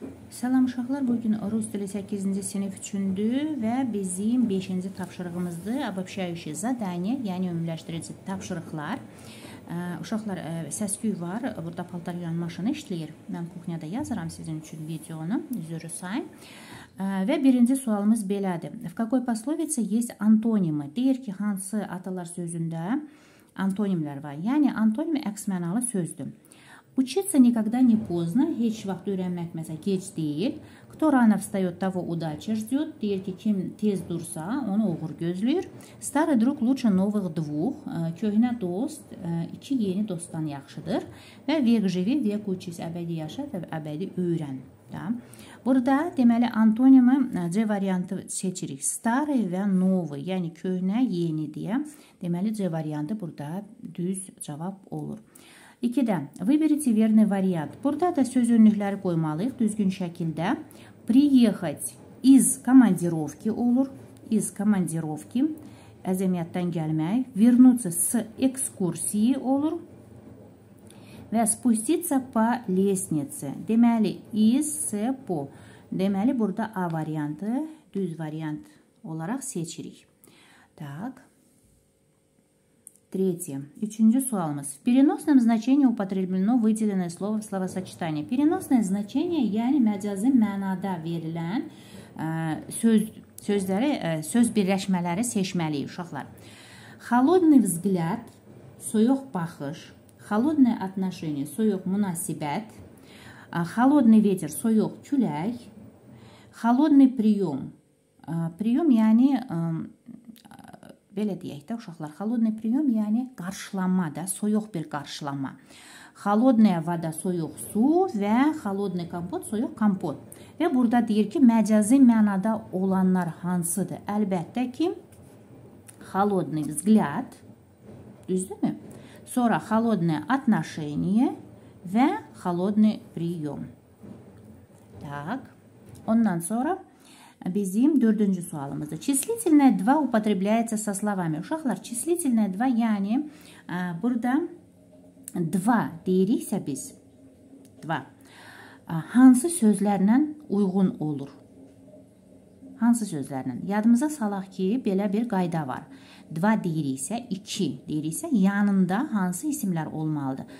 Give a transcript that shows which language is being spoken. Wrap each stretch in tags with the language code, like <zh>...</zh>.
<az>Salam uşaqlar, bugün rus dili 8-ci sinif üçündür və bizim 5-ci tapşırığımızdır.</az> <ru>Obobshayushche zadaniye,</ru> <az>yəni ümumiləşdirici tapşırıqlar. Uşaqlar, səsküy var, burada paltar yuyan maşını işləyir. Mən kuxniyada yazıram sizin üçün videonu, üzürü sayın. Və birinci sualımız belədir.</az> <ru>В какой пословице есть антонимы?</ru> <az>Deyir ki, hansı atalar sözündə antonimlər var? Yəni, antonim əks mənalı sözdür.</az> <ru>Учиться никогда не поздно.</ru> <az>Heç vaxt öyrənmək məsələ gec deyil.</az> <ru>Кто рано встает, того удача ждет.</ru> <az>Deyir ki, kim tez dursa, onu uğur gözləyir.</az> <ru>Старый друг лучше новых двух.</ru> <az>Köhnə dost, iki yeni dostdan yaxşıdır. Və</az> <ru>век живи, век учись.</ru> <az>Əbədi yaşa və əbədi öyrən. Burada deməli antonimi C variantı seçirik.</az> <ru>Старый</ru> <az>və</az> <ru>новый.</ru> <az>Yəni köhnə, yeni deyə. Deməli C variantı burada düz cavab olur. 2-də.</az> <ru>Выберите верный вариант.</ru> <az>Burada da söz önlükləri qoymalıyıq düzgün şəkildə.</az> <ru>Приехать из командировки</ru> <az>olur.</az> <ru>Из командировки.</ru> <az>Əzəmiyyətdən gəlmək.</az> <ru>Вернуться с экскурсии</ru> <az>olur. Və</az> <ru>спуститься по лестнице.</ru> <az>Deməli, из, с, по. Deməli, burada A variantı düz variant olaraq seçirik.</az> <ru>Так.</ru> <az>Третье. Üçüncü sualımız.</az> <ru>В переносном значении употреблено выделенное слово в словосочетании. Переносное значение,</ru> <az>yəni məcazi mənada verilən söz birləşmələri seçməliyik uşaqlar.</az> <ru>Холодный взгляд,</ru> <az>soyuq baxış,</az> <ru>холодное отношение,</ru> <az>soyuq münasibət,</az> <ru>холодный ветер,</ru> <az>soyuq külək,</az> <ru>холодный прием. Прием,</ru> <az>yəni... Belə deyək də uşaqlar,</az> <ru>холодный прием,</ru> <az>yəni qarşılanma da, soyuq bir qarşılanma.</az> <ru>Холодная вода,</ru> <az>soyuq su və</az> <ru>холодный компот,</ru> <az>soyuq</az> <ru>компот.</ru> <az>Və burada deyir ki, məcazi mənada olanlar hansıdır? Əlbəttə ki,</az> <ru>холодный взгляд,</ru> <az>düzdür mü? Sonra</az> <ru>холодное отношение</ru> <az>və</az> <ru>холодный прием.</ru> <az>Так, ondan sonra... Bizim dördüncü sualımızdır.</az> <ru>Числительное 2 употребляется со словами.</ru> <az>Uşaqlar,</az> <ru>числительное 2,</ru> <az>yəni burada 2 deyiriksə biz. 2. Hansı sözlərlə uyğun olur? Hansı sözlərlə? Yadımıza salaq ki, belə bir qayda var. 2 deyiriksə, 2 deyiriksə, yanında hansı isimlər olmalıdır?</az>